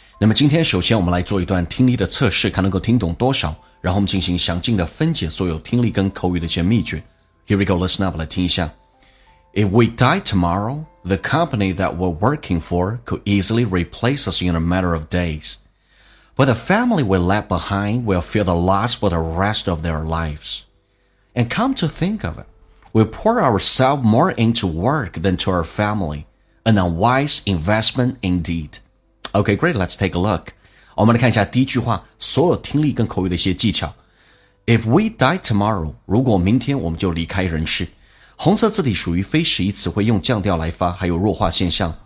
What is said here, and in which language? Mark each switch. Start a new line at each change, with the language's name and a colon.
Chinese: 那么今天首先我们来做一段听力的测试，看能够听懂多少，然后我们进行详尽的分解所有听力跟口语的一些秘诀。
English: Here we go, listen up,
Chinese: 来听一下。
English: If we die tomorrow, the company that we're working for could easily replace us in a matter of days. But the family we left behind will feel the loss for the rest of their lives. And come to think of it,We pour ourselves more into work than to our family. An unwise investment indeed. Okay, great. Let's take a look.
Chinese: 我们来看一下第一句话，所有听力跟口语的一些技巧。
English: If we die tomorrow,
Chinese: 如果明天我们就离开人世。红色字体属于非实义词汇，用降调来发，还有弱化现象。